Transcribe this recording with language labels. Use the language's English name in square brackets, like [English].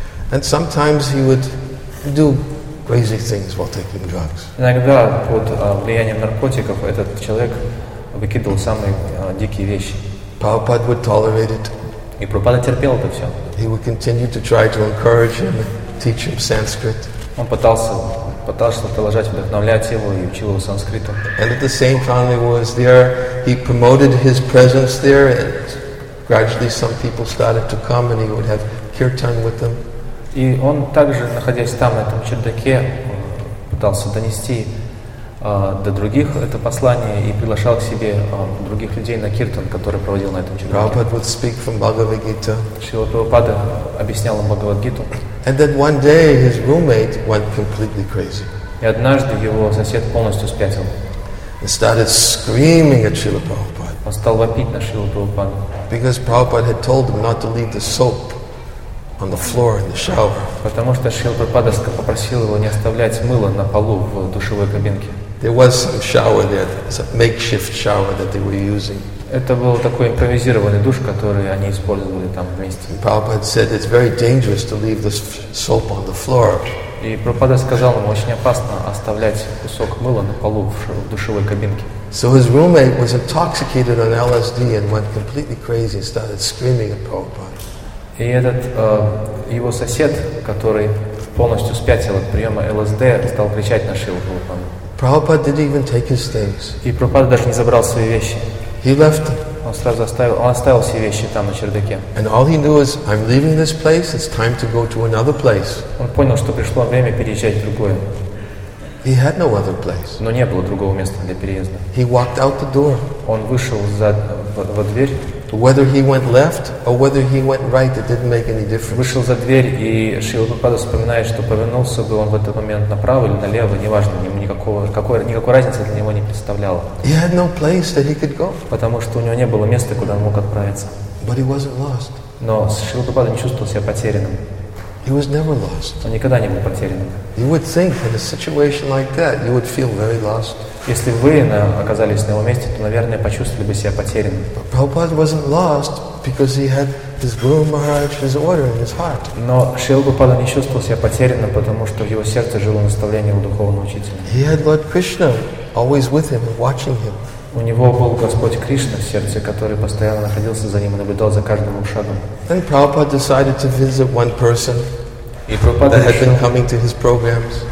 [English] And sometimes he would do crazy things while taking drugs. [Russian] Иногда под влиянием наркотиков этот человек выкидывал самые дикие вещи. [English] Prabhupada would tolerate it. [Russian] И Прабхупада терпел это все. [English] He would continue to try to encourage him and teach him Sanskrit. [Russian] Он пытался продолжать вдохновлять его и учил его санскриту. [English] And at the same time he was there, he promoted his presence there, and gradually some people started to come, and he would have kirtan with them. [Russian] И он также, находясь там, на этом чердаке, пытался донести до других это послание и приглашал к себе других людей на киртан, который проводил на этом чердаке. [English] Prabhupada would speak from Bhagavad Gita. [Russian] Шрила Прабхупада объяснял им Бхагавад Гиту. [English] And then one day his roommate went completely crazy. [Russian] И однажды его сосед полностью спятил. [English] And started screaming at Шрила Прабхупада. [Russian] Он стал вопить на Шрилу Прабхупаду. [English] Because Prabhupada had told him not to leave the soap on the floor in the shower. [Russian] Потому что Шрила Прабхупада попросил его не оставлять мыло на полу в душевой кабинке. [English] There was some shower there, a makeshift shower that they were using. [Russian] Это был такой импровизированный душ, который они использовали там вместе. [English] Prabhupada said it's very dangerous to leave the soap on the floor. [Russian] И Прабхупада сказал ему, очень опасно оставлять кусок мыла на полу в душевой кабинке. [English] So his roommate was intoxicated on LSD and went completely crazy and started screaming at Prabhupada. [Russian] И этот его сосед, который полностью спятил от приема ЛСД, стал кричать на Шрилу Прабхупаду. [English] Prabhupada didn't even take his things. [Russian] И Прабхупада даже не забрал свои вещи. [English] He left them. [Russian] Он сразу оставил все вещи там на чердаке. [English] And all he knew is, I'm leaving this place. It's time to go to another place. [Russian] Он понял, что пришло время переезжать в другое. [English] He had no other place. [Russian] Но не было другого места для переезда. [English] He walked out the door. [Russian] Он вышел во дверь. [English] Whether he went left or whether he went right, it didn't make any difference. [Russian] Вышел за дверь, и Шрила Прабхупада вспоминает, что повернулся бы он в этот момент направо или налево, неважно, ему никакой разницы для него не представляло. [English] He had no place that he could go. [Russian] Потому что у него не было места, куда он мог отправиться. [English] But he wasn't lost. [Russian] Но Шрила Прабхупада не чувствовал себя потерянным. [English] He was never lost. [Russian] Он никогда не был потерянным. [English] You would think in a situation like that, you would feel very lost. [Russian] Если вы оказались на его месте, то, наверное, почувствовали бы себя потерянным. [English] But Prabhupada wasn't lost because he had his Guru Maharaj, his order in his heart. [Russian] Но Шрила Прабхупада не чувствовал себя потерянным, потому что в его сердце жило наставление его духовного учителя. [English] He had Lord Krishna always with him, watching him. [Russian] У него был Господь Кришна в сердце, который постоянно находился за ним и наблюдал за каждым шагом. [English] Then Prabhupada decided to visit one person that had been coming to his programs.